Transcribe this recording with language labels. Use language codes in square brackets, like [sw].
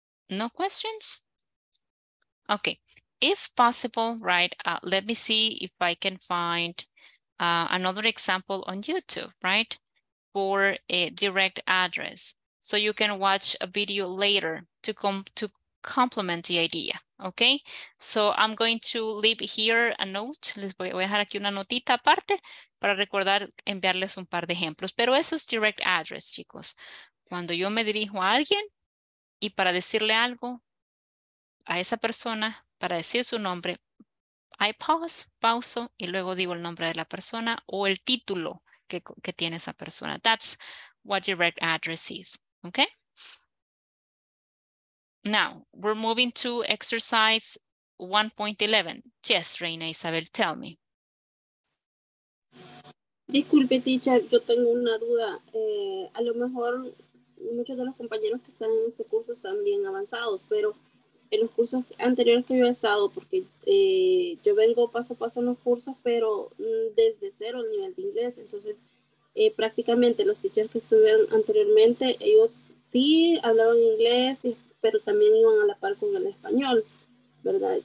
[en] No questions? Okay, if possible, right, let me see if I can find another example on YouTube, right, for a direct address. So you can watch a video later to complement the idea, okay? So I'm going to leave here a note. [es] Les voy a dejar aquí una notita aparte para recordar enviarles un par de ejemplos. Pero eso es direct address, chicos. Cuando yo me dirijo a alguien, y para decirle algo a esa persona, para decir su nombre, [en] I pause, [es] pauso, y luego digo el nombre de la persona o el título que tiene esa persona. [en] That's what direct address is, okay? Now, we're moving to exercise 1.11. Yes, Reina Isabel, tell me. [es] Disculpe, teacher, yo tengo una duda. A lo mejor muchos de los compañeros que están en ese curso están bien avanzados, pero en los cursos anteriores que yo he estado, porque yo vengo paso a paso en los cursos, pero desde cero el nivel de inglés, entonces prácticamente los teachers que estuvieron anteriormente, ellos sí hablaban inglés, pero también iban a la par con el español, ¿verdad?